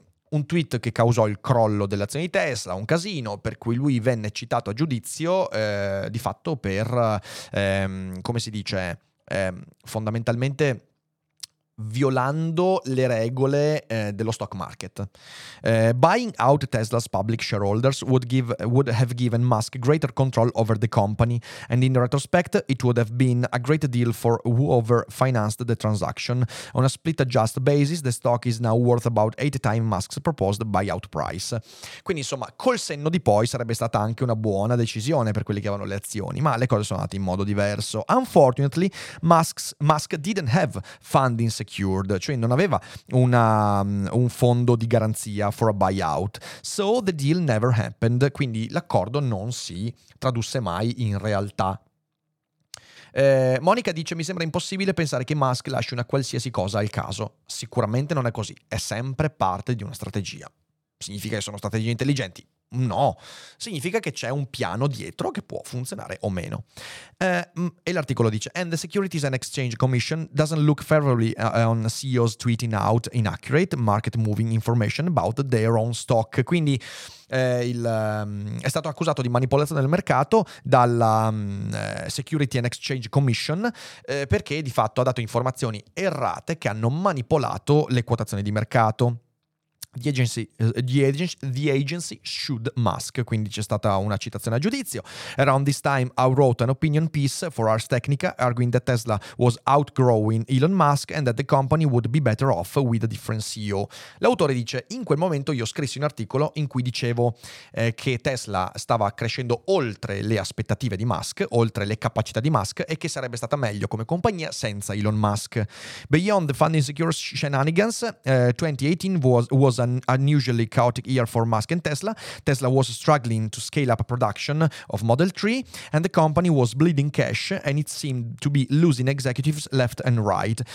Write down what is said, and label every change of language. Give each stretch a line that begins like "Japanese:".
Italian: Un tweet che causò il crollo delle azioni di Tesla, un casino, per cui lui venne citato a giudizio di fatto per, come si dice, fondamentalmente violando le regole dello stock market.
English: Buying out Tesla's public shareholders would have given Musk greater control over the company, and in retrospect it would have been a great deal for whoever financed the transaction. On a split adjusted basis the stock is now worth about 8 times Musk's proposed buyout price.
Italian: Quindi insomma, col senno di poi sarebbe stata anche una buona decisione per quelli che avevano le azioni, ma le cose sono andate in modo diverso.
English: Unfortunately, Musk didn't have funding secured,
Italian: cioè non aveva un fondo di garanzia
English: for a buyout, so the deal never happened,
Italian: quindi l'accordo non si tradusse mai in realtà. Monica dice, mi sembra impossibile pensare che Musk lasci una qualsiasi cosa al caso. Sicuramente non è così, è sempre parte di una strategia. Significa che sono strategie intelligenti? No, significa che c'è un piano dietro che può funzionare o meno. E l'articolo dice,
English: and the Securities and Exchange Commission doesn't look favorably on CEOs tweeting out inaccurate market moving information about their own stock.
Italian: Quindi è stato accusato di manipolazione del mercato dalla Securities and Exchange Commission perché di fatto ha dato informazioni errate che hanno manipolato le quotazioni di mercato.
English: The agency should Musk.
Italian: Quindi c'è stata una citazione a giudizio.
English: Around this time I wrote an opinion piece for Ars Technica arguing that Tesla was outgrowing Elon Musk and that the company would be better off with a different CEO.
Italian: L'autore dice, in quel momento io scrissi un articolo in cui dicevo che Tesla stava crescendo oltre le aspettative di Musk, oltre le capacità di Musk, e che sarebbe stata meglio come compagnia senza Elon Musk.
English: Beyond the funding secure shenanigans, 2018 was an unusually chaotic year for Musk and Tesla. Tesla was struggling to scale up production of Model 3 and the company was bleeding cash and it seemed to be losing executives left and right.